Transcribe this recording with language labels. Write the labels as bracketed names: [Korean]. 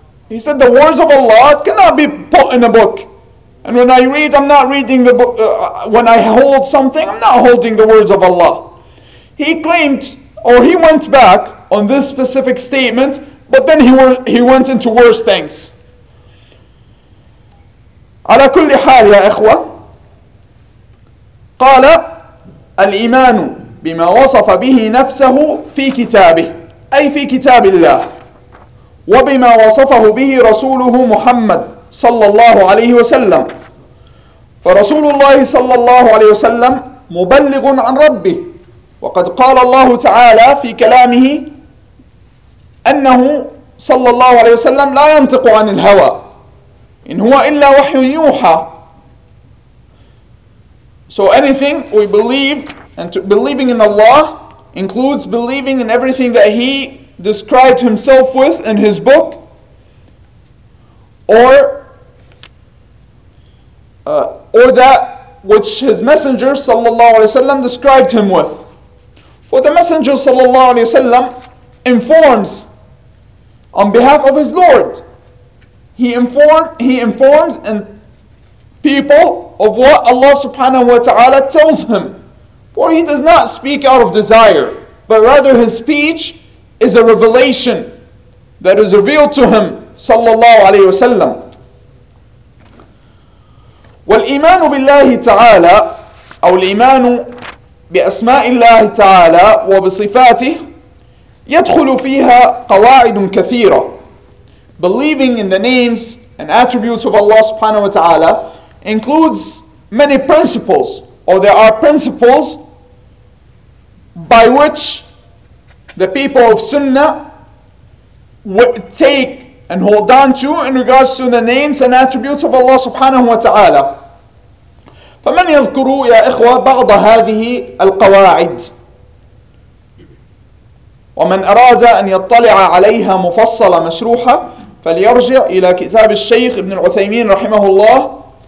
[English] He said the words of Allah cannot be put in a book. And when I read, I'm not reading the book. When I hold something, I'm not holding the words of Allah. He claimed, or he went back on this specific statement, but then he went into worse things. [Arabic] على كل حال يا إخوة قال الإيمان بما وصف به نفسه في كتابه أي في كتاب الله وبما وصفه به رسوله محمد صلى الله عليه وسلم فرسول الله صلى الله عليه وسلم مبلغ عن ربه وقد قال الله تعالى في كلامه أنه صلى الله عليه وسلم لا ينطق عن الهوى إن هو إلا وحي يوحى. [English] So anything we believe, and believing in Allah includes believing in everything that he described himself with in his book, or that which his messenger sallallahu alayhi wa sallam described him with. For the messenger sallallahu alayhi wa sallam informs on behalf of his Lord. He informs and people of what Allah subhanahu wa ta'ala tells him. For he does not speak out of desire, but rather his speech is a revelation that is revealed to him, sallallahu alayhi wa sallam. [Arabic] والإيمان بالله تعالى أو الإيمان بأسماء الله تعالى وبصفاته يدخل فيها قواعد كثيرة. [English] Believing in the names and attributes of Allah subhanahu wa ta'ala includes many principles, or there are principles by which the people of Sunnah take and hold on to in regards to the names and attributes of Allah subhanahu wa ta'ala. [Arabic] فمن يذكر يا إخوة بعض هذه القواعد ومن أراد أن يطلع عليها مفصلة مشروحة فليرجع إلى كتاب الشيخ ابن العثيمين رحمه الله